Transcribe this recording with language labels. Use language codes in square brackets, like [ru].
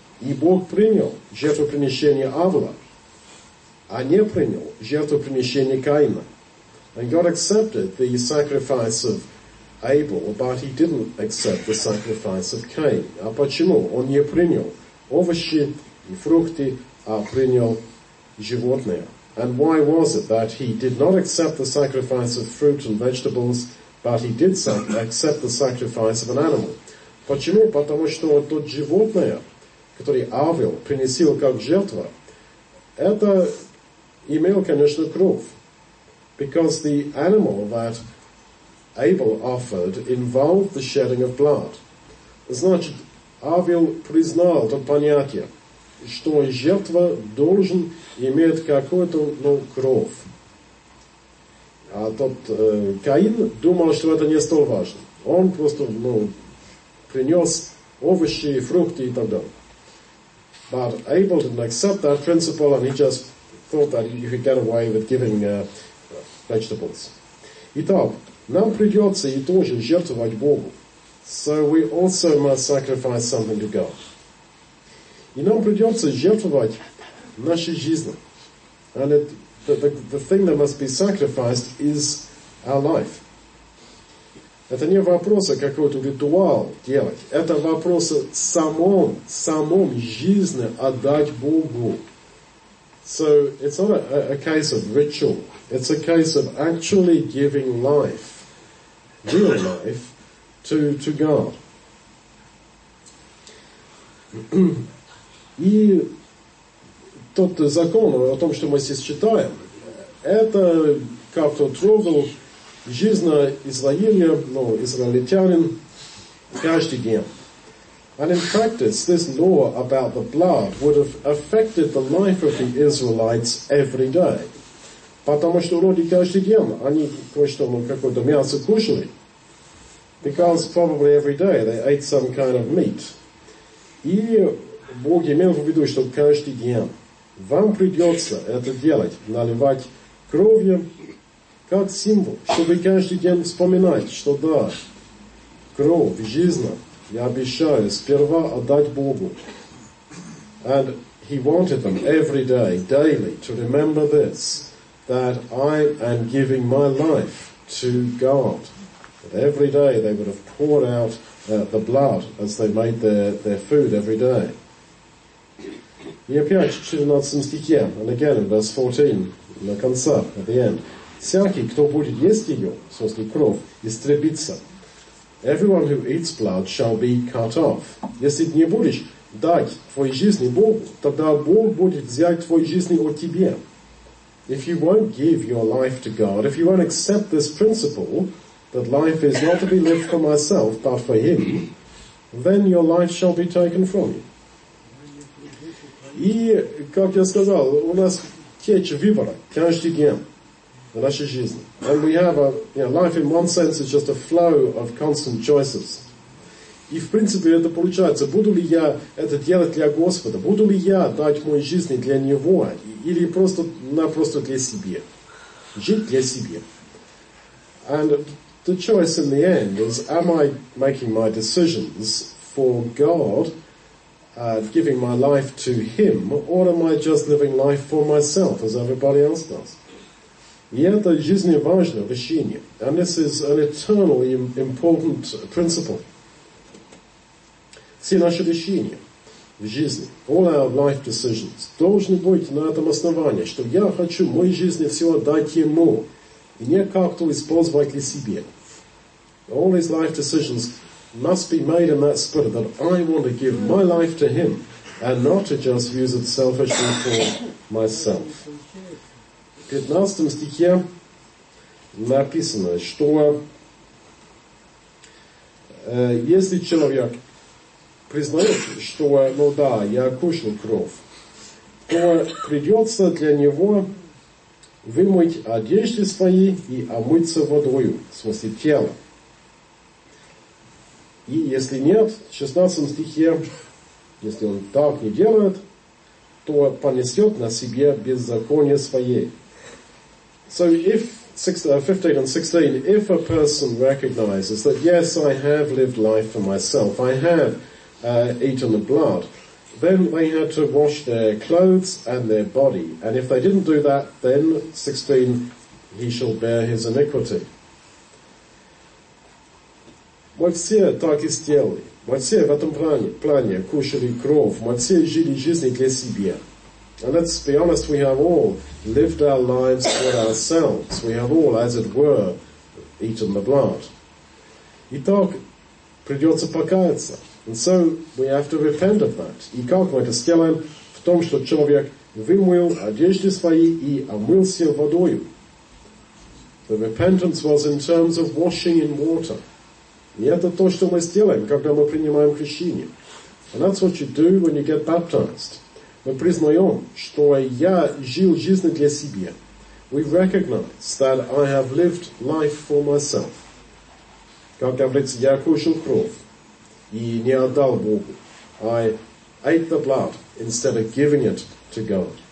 [ru] И Бог принял жертвоприношение Авела, а не принял жертвоприношение Каина. [en] And God accepted the sacrifice of Abel, but he didn't accept the sacrifice of Cain. [ru] А почему? Он не принял овощи и фрукты, а принял животное. [en] And why was it that he did not accept the sacrifice of fruit and vegetables, but he did accept the sacrifice of an animal? [ru] Почему? Потому что тот животное, который Авел принесил как жертва, это имел, конечно, кровь. [en] Because the animal that Abel offered involved the shedding of blood. [ru] Значит, Авел признал то понятие, что жертва должен иметь какую-то, ну, кровь. А тот Каин думал, что это не столь важно. Он просто ну, принес овощи, фрукты и так далее. [en] But Abel didn't accept that principle, and he just thought that he could get away with giving vegetables. [ru] Итак, нам придется и тоже жертвовать Богу. [en] So we also must sacrifice something to God. [ru] И нам придется жертвовать нашей жизнью. [en] And it, the thing that must be sacrificed is our life. [ru] Это не вопрос какой-то ритуал делать. Это вопрос самом жизни отдать Богу. [en] So it's not a case of ritual. It's a case of actually giving life, real life, to God. [ru] И тот закон о том, что мы здесь читаем, это как-то трогал жизнь Израиля, ну, израильтянин, каждый день. [en] And in practice, this law about the blood would have affected the life of the Israelites every day. [ru] Потому что вроде каждый день они кое-что, ну, какое-то мясо кушали. [en] Because probably every day they ate some kind of meat. [ru] И Бог имел в виду, что каждый день вам придется это делать, наливать кровью, как символ, чтобы каждый день вспоминать, что да, кровь, жизнь, я обещаю сперва отдать Богу. [en] And he wanted them every day, daily, to remember this, that I am giving my life to God. And every day they would have poured out the blood as they made their food every day. [ru] И опять в 14 стихе, [en] and again in verse 14, [ru] на конце, [en] at the end. [ru] Всякий, кто будет есть ее, собственно, кровь, истребится. [en] Everyone who eats blood shall be cut off. [ru] Если ты не будешь дать твоей жизни Богу, тогда Бог будет взять твою жизнь от тебя. [en] If you won't give your life to God, if you won't accept this principle, that life is not to be lived for myself, but for him, then your life shall be taken from you. [ru] И, как я сказал, у нас течь выбора каждый день. Наша жизнь. [en] And we have a, you know, life in one sense is just a flow of constant choices. [ru] И в принципе это получается, буду ли я это делать для Господа, буду ли я дать мою жизнь для Него, или просто, напросто для себя. Жить для себя. [en] And the choice in the end is, am I making my decisions for God, giving my life to Him, or am I just living life for myself, as everybody else does? [ru] И это жизненно важное. [en] And this is an eternally important principle. [ru] Все наши решения в жизни, [en] all our life decisions, [ru] должны быть на этом основании, что я хочу мою жизнь всего дать Ему, и не как-то использовать для себя. [en] All these life decisions must be made in that spirit that I want to give my life to Him and not to just use it selfishly for myself. [ru] В 15 стихе написано, что если человек признает, что, ну да, я кушал кровь, то придется для него вымыть одежды свои и омыться водою, в смысле тела. И если нет, в 16 стихе, если он так не делает, то понесет на себе беззаконие свое. [en] So if 15 and 16, if a person recognizes that, yes, I have lived life for myself, I have eaten the blood, then they had to wash their clothes and their body. And if they didn't do that, then, 16, he shall bear his iniquity. [ru] Мы все так и сделали. Мы все в этом плане кушали кровь. Мы все жили жизнью для себя. [en] And let's be honest, we have all lived our lives for ourselves. We have all, as it were, eaten the blood. [ru] Итак, придется покаяться. [en] And so we have to repent of that. [ru] И как мы это сделаем? В том, что человек вымыл одежды свои и омылся водою. [en] The repentance was in terms of washing in water. [ru] И это то, что мы сделаем, когда мы принимаем крещение. [en] And that's what you do when you get baptized. [ru] Мы признаем, что я жил жизнью для себя. [en] we recognize that I have lived life for myself. [ru] Как говорится, я кушал кровь и не отдал Богу. [en] I ate the blood instead of giving it to God.